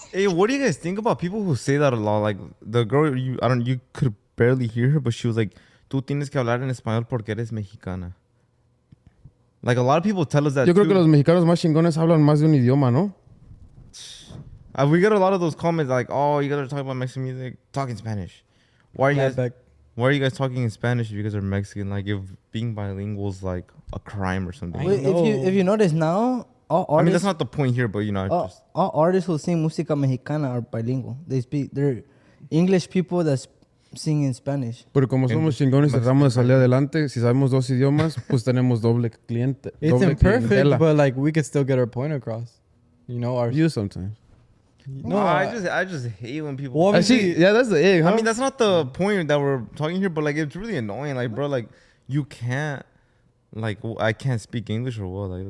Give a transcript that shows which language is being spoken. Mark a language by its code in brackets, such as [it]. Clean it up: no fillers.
[en] Hey, what do you guys think about people who say that a lot? Like the girl, you could barely hear her, but she was like, [es] "Tú tienes que hablar en español porque eres mexicana." [en] Like a lot of people tell us that. [es] Yo creo que los mexicanos más chingones hablan más de un idioma, ¿no? [en] We get a lot of those comments like, "Oh, you guys are talking about Mexican music, talking Spanish. Why are you guys talking in Spanish if you guys are Mexican? Like, if being bilingual is like a crime or something." If you notice now. Artists, I mean, that's not the point here, but you know, all artists who sing música mexicana are bilingual. They speak, they're English people that sing in Spanish. [es] Pero como somos chingones, tratamos de salir adelante. Si sabemos dos idiomas, pues tenemos doble cliente. [en] It's imperfect, but like we could still get our point across. You know, our view sometimes. No, well, I just hate when people. Well, actually, yeah, that's the egg. Huh? I mean, that's not the point that we're talking here, but like it's really annoying. Like, bro, like you can't. Like, I can't speak English or what? Like,